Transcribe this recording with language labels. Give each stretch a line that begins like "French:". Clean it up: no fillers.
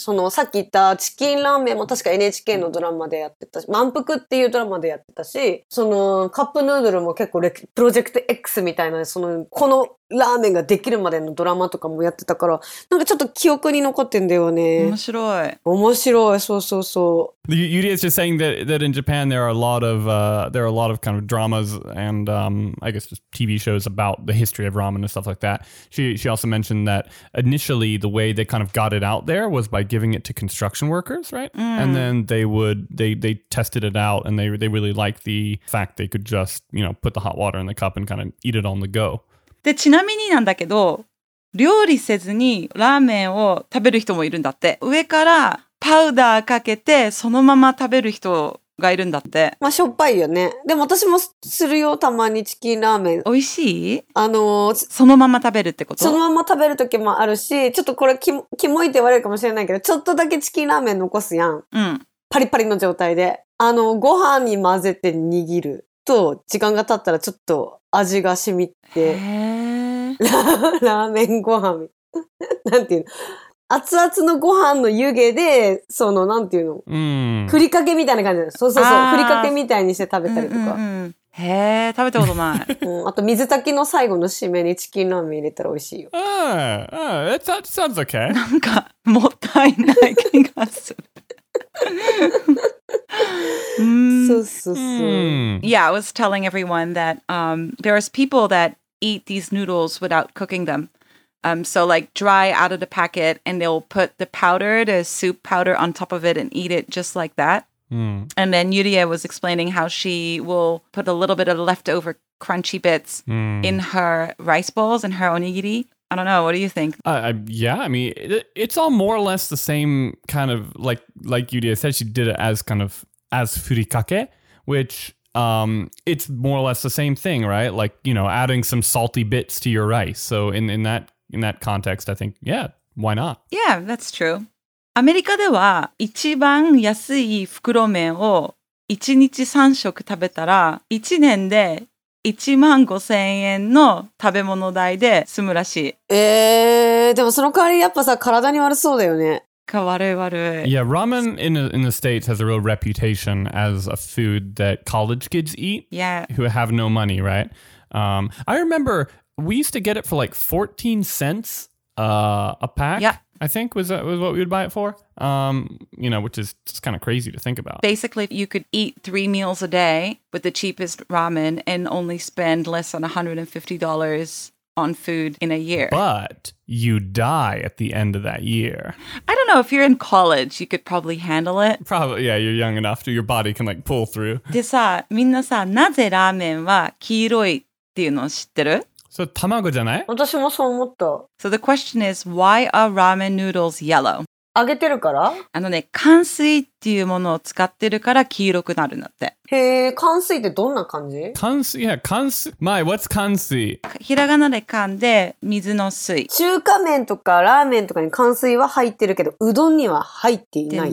Japanese: そのさっき言ったチキンラーメンも確か NHK のドラマでやってたし、満腹っていうドラマでやってたし、そのカップヌードルも結構プロジェクト X みたいな、そのこのラーメンができるまでのドラマとかもやってたから、なんかちょっと記憶に残ってんだよね。面白い。面白い、そうそうそう。
English: Yuri is just saying that in Japan there are a lot of kind of dramas and I guess just TV shows about the history of ramen and stuff like that. She also mentioned that initially the way they kind of got it out there was by giving it to construction workers, right? And then they tested it out and they really liked the fact they could just, you know, put the hot water in the cup and kind of eat it on the go.
Japanese: で、ちなみになんだけど、料理せずにラーメンを食べる人もいるんだって。上からパウダーかけてそのまま食べる人がいるんだって。まあしょっぱいよね。でも私もするよ、たまにチキンラーメン。美味しい？そのまま食べるってこと？そのまま食べる時もあるし、ちょっとこれキモいって言われるかもしれないけど、ちょっとだけチキンラーメン残すやん。うん。パリパリの状態で。ご飯に混ぜて握ると、時間が経ったらちょっと味が染みて。ラーメンご飯みたいな。なんていうの？熱々のご飯の湯気で、その、なんていうの、ふりかけみたいな感じで、そうそうそう、ふりかけみたいにして食べたりとか。へぇ、食べたことない。あと、水炊きの最後の締めにチキンラーメン入れたら美味しいよ。
English: That sounds okay.
Japanese: なんか、もったいない気がする。そうそうそう。
English: Yeah, I was telling everyone that there are people that eat these noodles without cooking them. So like dry out of the packet and they'll put the powder, the soup powder on top of it and eat it just like that. And then Yuria was explaining how she will put a little bit of leftover crunchy bits in her rice balls and her onigiri. I don't know. What do you think? It's all more or less the same kind of like Yuria said, she did it as kind of as furikake, which... it's more or less the same thing, right? Like, you know, adding some salty bits to your rice. So in that context, I think, yeah, why not? Yeah, that's true.
Japanese: アメリカでは一番安い袋麺を1日3食食べたら1年で15,000円の食べ物代で済むらしい。でもその代わりやっぱさ、体に悪そうだよね。
English: Yeah, ramen in the States has a real reputation as a food that college kids eat. Yeah. Who have no money, right? I remember we used to get it for like 14 cents a pack. Yeah. I think was what we would buy it for. You know, which is just kind of crazy to think about. Basically, you could eat three meals a day with the cheapest ramen and only spend less than $150. On food in a year. But you die at the end of that year. I don't know, if you're in college, you could probably handle it. Probably, yeah, you're young enough to, your body can like pull through.
Japanese: でさ、みんなさ、なぜラーメンは黄色いっていうのを知ってる？そう、卵じゃない？私もそう思った。
English: So the question is, why are ramen noodles yellow?
Japanese: 揚げてるから？あのね、乾水っていうものを使ってるから黄色くなるんだって。へぇ、乾水ってどんな感じ？乾水、いや、乾水。 My, what's 乾水？ひらがなで乾で、水の水。中華麺とかラーメンとかに乾水は入ってるけど、うどんには入っていない。